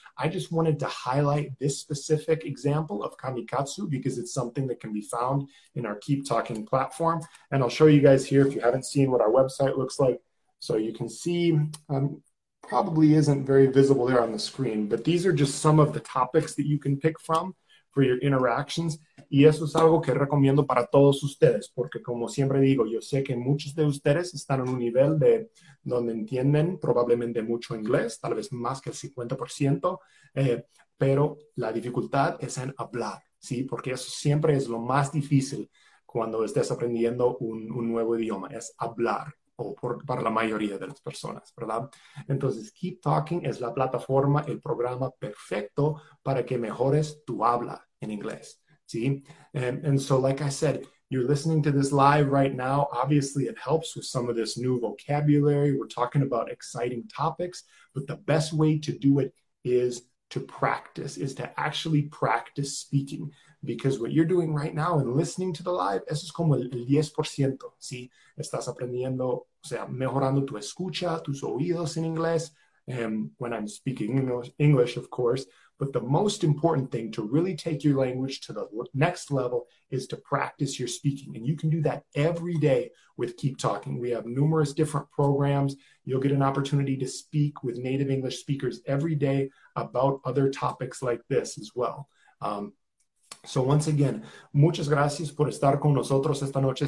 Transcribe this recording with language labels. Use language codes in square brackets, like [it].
[en] I just wanted to highlight this specific example of Kamikatsu because it's something that can be found in our Keep Talking platform. And I'll show you guys here, if you haven't seen what our website looks like, So you can see, probably isn't very visible there on the screen, but these are just some of the topics that you can pick from for your interactions. [es] Y eso es algo que recomiendo para todos ustedes, porque como siempre digo, yo sé que muchos de ustedes están en un nivel de donde entienden probablemente mucho inglés, tal vez más que el 50%, pero la dificultad es en hablar, ¿sí? Porque eso siempre es lo más difícil cuando estés aprendiendo un nuevo idioma, es hablar, o para la mayoría de las personas, ¿verdad? Entonces, Keep Talking es la plataforma, el programa perfecto para que mejores tu habla en inglés. [en] See, and so like I said, you're listening to this live right now. Obviously, it helps with some of this new vocabulary. We're talking about exciting topics, but the best way to do it is to practice, is to actually practice speaking. Because what you're doing right now and listening to the live, [es] eso es como el 10%, ¿sí? Estás aprendiendo, o sea, mejorando tu escucha, tus oídos en inglés, [en] when I'm speaking English, of course. But the most important thing to really take your language to the next level is to practice your speaking. And you can do that every day with Keep Talking. We have numerous different programs. You'll get an opportunity to speak with native English speakers every day about other topics like this as well. So once again, [es] muchas gracias por estar con nosotros esta noche.